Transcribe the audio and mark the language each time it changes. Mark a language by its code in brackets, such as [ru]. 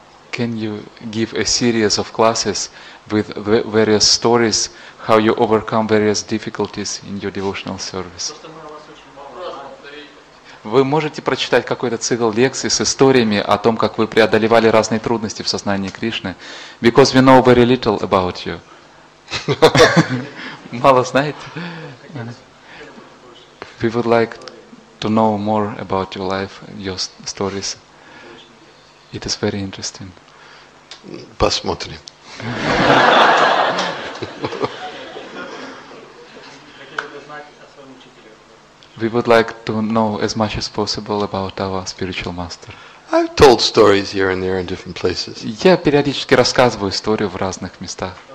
[en] Can you give a series of classes with various stories how you overcome various difficulties in your devotional service? [ru] Вы можете прочитать какой-то цикл лекций с историями о том, как вы преодолевали разные трудности в сознании Кришны? [en] Because we know very little about you. [ru] Мало знаете? [en] We would like to know more about your life, your stories. It is very interesting. [ru] Посмотрим. [en] We would like to know as much as possible about our spiritual master. I've told stories here and there in different places. [ru] Я периодически рассказываю историю в разных местах.